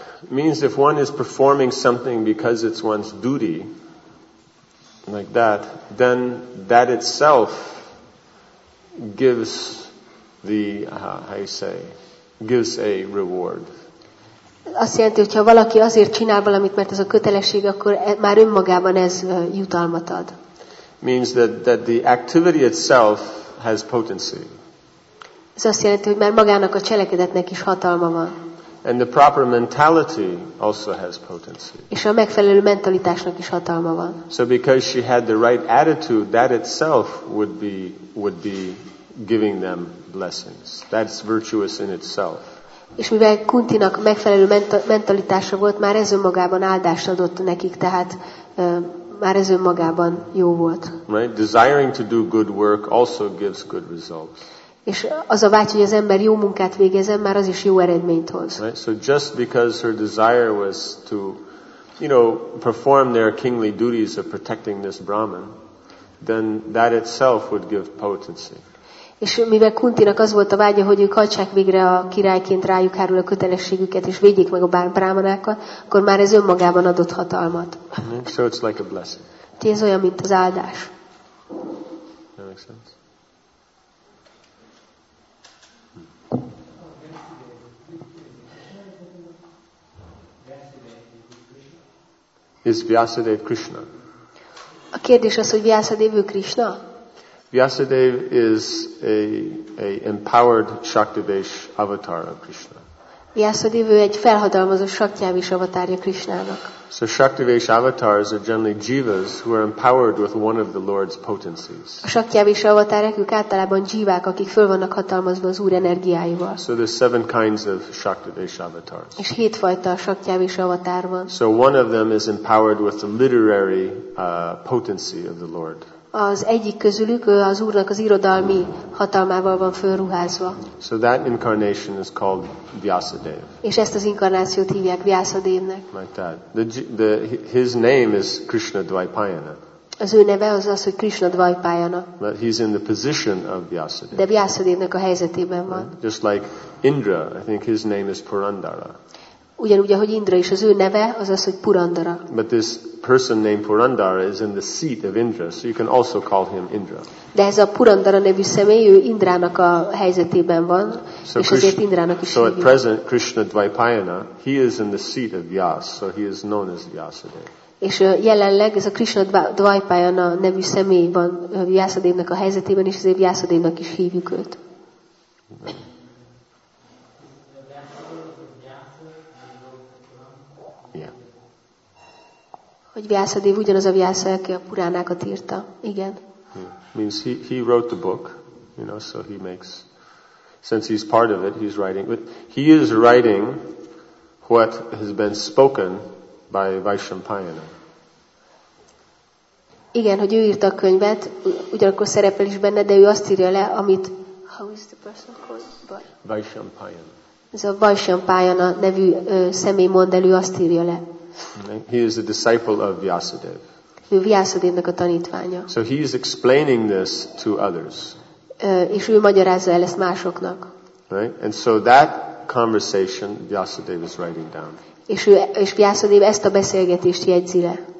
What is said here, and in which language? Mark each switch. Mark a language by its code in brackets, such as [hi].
[en] Means if one is performing something because it's one's duty, like that, then that itself gives the, gives a reward. [hu] Azt jelenti, hogyha valaki azért csinál valamit, mert ez a kötelesség, akkor már önmagában ez jutalmat ad. [en] Means that the activity itself has potency. [hu] Ez azt jelenti, hogy már magának a cselekedetnek is hatalma van. [en] And the proper mentality also has potency. [hu] És a megfelelő mentalitásnak is hatalma van. [en] So because she had the right attitude, that itself would be giving them blessings. That's virtuous in itself. [hu] És mivel Kuntinak megfelelő mentalitása volt, már ez önmagában áldást adott nekik, tehát már ez önmagában jó volt. [en] Right? Desiring to do good work also gives good results. [hu] És az a vágy, hogy az ember jó munkát végezzen, már az is jó eredményt hoz. [en] Right? So just because her desire was to, you know, perform their kingly duties of protecting this Brahman, then that itself would give potency. [hu] És mivel Kuntinak az volt a vágya, hogy ők hagyják végre a királyként rájuk hárul a kötelességüket, és védjék meg a brámanákat, akkor már ez önmagában adott hatalmat. [en] So it's like a blessing. [hu] Tehát ez olyan, mint az áldás. [en] That makes sense. Is Vyasadeva Krishna? [hu] A kérdés az, hogy Vyasadeva Krishna? [en] Vyasadeva is a empowered Shaktivesh avatar of Krishna. [hu] Vyasadeva egy felhatalmazott Shaktivesh avatárja Krishnának. [en] So Shaktivesh avatars are generally jivas who are empowered with one of the Lord's potencies. [hu] A Shaktivesh avatárok ők általában jivák, akik föl vannak hatalmazva az Úr energiáival. [en] So there's 7 kinds of Shaktivesh avatars. [hu] És 7 fajta Shaktivesh avatár van. [en] So one of them is empowered with the literary potency of the Lord. [hu] Az egyik közülük az Úrnak az irodalmi hatalmával van fölruházva. [en] So that incarnation is called Vyasadeva. [hu] És ezt az inkarnációt hívják Vyasadevnek. [en] Like that. His name is Krishna Dvaipayana. [hu] Az ő neve az az, hogy Krishna Dvaipayana. [en] But he's in the position of Vyasadeva. [hu] De Vyasadevnek a helyzetében van. [en] Right? Just like Indra, I think his name is Purandara. [hu] Ugyanúgy, ahogy Indra is, az ő neve az az, hogy Purandara. [en] But this person named Purandara is in the seat of Indra, so you can also call him Indra. [hu] De ez a Purandara nevű személy, ő Indrának a helyzetében van, so és ezért Indrának is [en] so [hu] hívjuk. [en] At present, Krishna Dvaipayana, he is in the seat of Vyas, so he is known as Vyasadeva. [hu] És jelenleg ez a Krishna Dvaipayana nevű személy van Vyasadevnek a helyzetében, és ezért Vyasadevnak is hívjuk őt. Hogy Vyasadeva ugyanaz a Vyasa, aki a Puránákat írta. Igen. [en] Yeah. Means he wrote the book, you know, so he makes, since he's part of it, he's writing. But he is writing what has been spoken by Vaishampayana. [hu] Igen, hogy ő írta a könyvet, ugyanakkor szerepel is benne, de ő azt írja le, amit, [en] how is the person called? [hu] Vaishampayana. Ez a Vaishampayana nevű személy mond elő, azt írja le. [en] He is a disciple of Vyasadeva. [hu] Ő Vyasadevnek a tanítványa. [en] So he is explaining this to others. [hu] És ő magyarázza el ezt másoknak. [en] Right? And so that conversation Vyasadeva is writing down. [hu] És Vyasadeva ezt a beszélgetést jegyzi le.